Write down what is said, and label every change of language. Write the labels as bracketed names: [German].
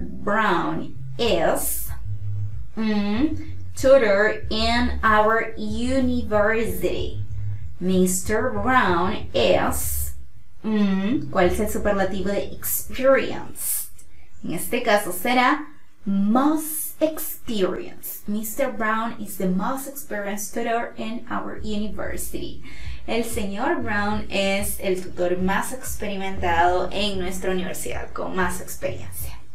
[English] Brown is tutor in our university. Mr. Brown is, [Spanish] ¿cuál es el superlativo de experienced? En este caso será most experienced. Mr. [English] Brown is the most experienced tutor in our university. [Spanish] El señor Brown es el tutor más experimentado en nuestra universidad, con más experiencia.